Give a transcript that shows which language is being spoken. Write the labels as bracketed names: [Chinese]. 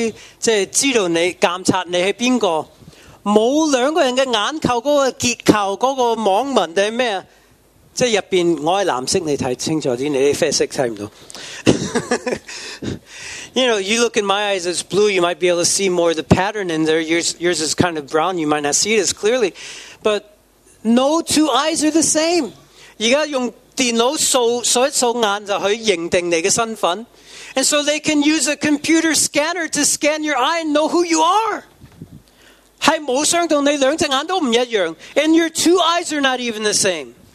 [Chinese] 有些人觉得，或者指模不够清楚，可以伪造，或者什么？你眼的，用那个数读眼那些，知道你监察你是谁。没有两个人的眼球那个结构那个网纹还是什么，即是里面我是蓝色，你看清楚一点，你啡色看不到。 [English] You know, you look in my eyes, it's blue, you might be able to see more of the pattern in there. Yours is kind of brown, you might not see it as clearly. But no two eyes are the same. [Chinese] 现在用电脑数一数眼就可以认定你的身份。 [English] And so they can use a computer scanner to scan your eye and know who you are. [Chinese] 是没相同，你两只眼都不一样。 [English] And your two eyes are not even the same.